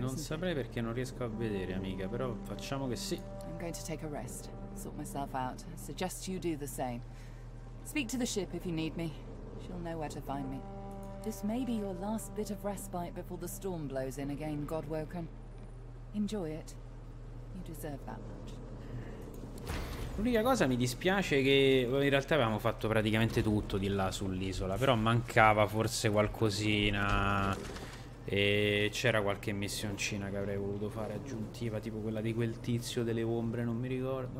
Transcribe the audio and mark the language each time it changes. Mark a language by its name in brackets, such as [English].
[Italian] Non saprei perché non riesco a vedere, amica, però facciamo che sì. [English] I'm going to take a rest, sort myself out. I suggest you do the same. Speak to the ship if you need me. She'll know where to find me. This may be your last bit of respite before the storm blows in again, Godwoken. Enjoy it. You deserve that much. [Italian] L'unica cosa mi dispiace è che in realtà avevamo fatto praticamente tutto di là sull'isola, però mancava forse qualcosina e c'era qualche missioncina che avrei voluto fare aggiuntiva, tipo quella di quel tizio delle ombre, non mi ricordo.